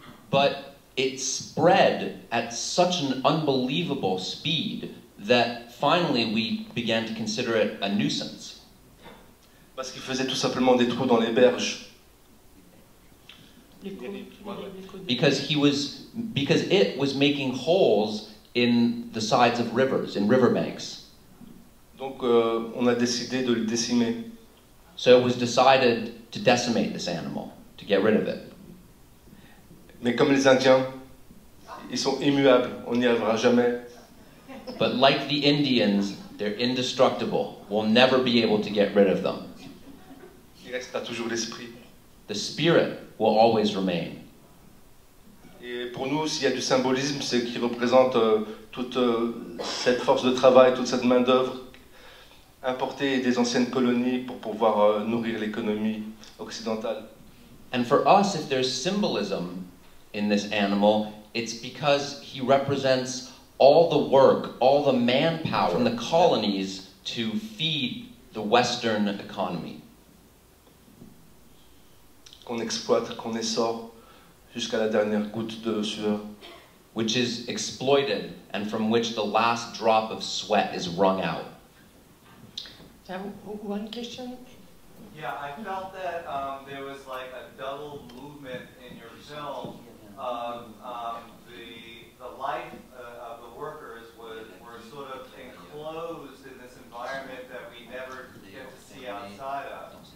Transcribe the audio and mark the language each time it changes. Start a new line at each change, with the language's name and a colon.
English: But it spread at such an unbelievable speed that finally we began to consider it a nuisance.
French: Parce qu'il faisait tout simplement des trous dans les berges.
English: Because it was making holes in the sides of rivers, in riverbanks.
French: Donc on a décidé de le décimer.
English: So it was decided to decimate this animal. To get rid of it.
French: Mais comme les Indiens, ils sont immuables, on n'y arrivera jamais.
English: But like the Indians, they're indestructible. We'll never be able to get rid of them.
French: Il restera toujours l'esprit.
English: The spirit will always remain.
French: Et pour nous, s'il y a du symbolisme, c'est qu'il représente toute cette force de travail, toute cette main d'œuvre importée des anciennes colonies pour pouvoir nourrir l'économie occidentale.
English: And for us, if there's symbolism in this animal, it's because he represents all the work, all the manpower from the colonies to feed the Western economy.
French: Qu'on exploite, qu'on essore jusqu'à la dernière goutte de sueur.
English: Which is exploited and from which the last drop of sweat is wrung out. Do you have one question? Yeah, I felt that there was like a double movement in your film of the life of the workers were sort of enclosed in this environment that we never get to see outside of.